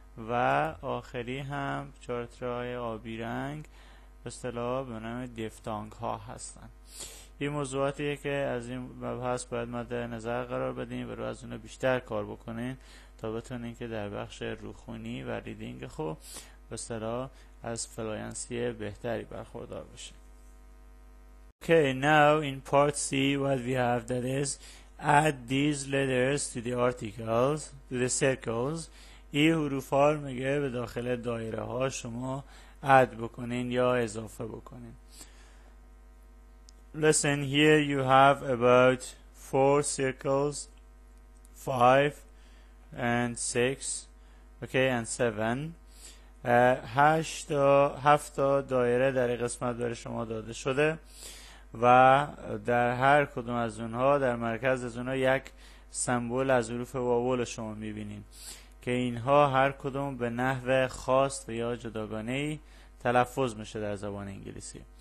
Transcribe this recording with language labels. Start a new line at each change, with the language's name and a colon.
Persian: و آخری هم چارت رای آبی رنگ به اصطلاح به نام دیفتانگ ها هستند. این موضوعاتیه که از این مبحث باید مد نظر قرار بدیم و رو از اونو بیشتر کار بکنین تا بتونین که در بخش روخونی و ریدینگ خوب به اصطلاح از فلوئنسی بهتری برخوردار بشه.
English: Okay, now in part C what we have, that is add these letters to the articles, to the circles.
Persian: این حروف ها رو میگه به داخل دایره ها شما اد بکنین یا اضافه بکنین.
English: Listen, here you have about 4 circles, 5 and 6, okay, and 7.
Persian: هفت تا دایره در قسمت برای شما داده شده و در هر کدوم از اونها در مرکز از اونها یک سمبول از حروف واول شما میبینین که اینها هر کدوم به نحو خاص و یا جداگانه ای تلفظ میشه در زبان انگلیسی.